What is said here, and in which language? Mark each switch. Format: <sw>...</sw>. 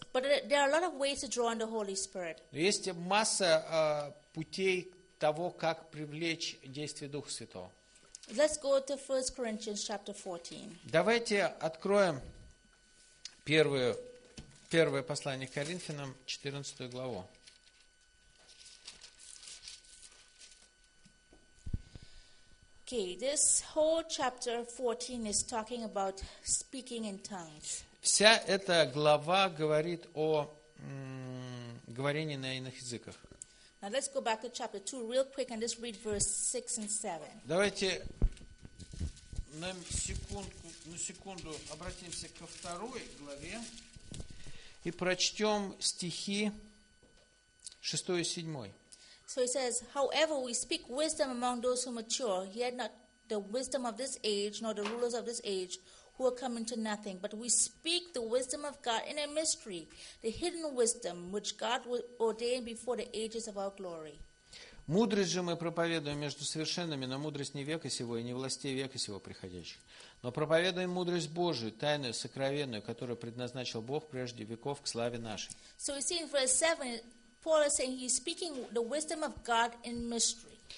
<en>But there are a lot of ways to draw on the Holy Spirit.</en> <ru>Есть масса путей того, как привлечь действие Духа Святого.</ru> <en>Let's go to 1 Corinthians chapter 14.</en> <ru>Давайте откроем первое послание к Коринфянам, 14 главу.</ru> <en>Okay, this whole chapter 14 is talking about speaking in tongues.</en> <ru>Вся эта глава говорит о говорении на иных языках.</ru> <en>Now let's go back to chapter 2 real quick and just read verse 6 and 7.</en> <ru>Давайте на секунду обратимся ко второй главе и прочтем стихи 6 и 7.</ru> <en>So it says, however, we speak wisdom among those who mature, yet not the wisdom of this age, nor the rulers of this age, who are coming to nothing. But we speak the wisdom of God in a mystery, the hidden wisdom which God ordained before the ages of our glory.</en> <ru>Мудрость же мы проповедуем между совершенными, но мудрость не века сего и не властей века сего приходящих. Но проповедуем мудрость Божию, тайную, сокровенную, которую предназначил Бог прежде веков к славе нашей.</ru> <en>So we see in verse 7, Paul is saying he's speaking the wisdom of God in mystery.</en>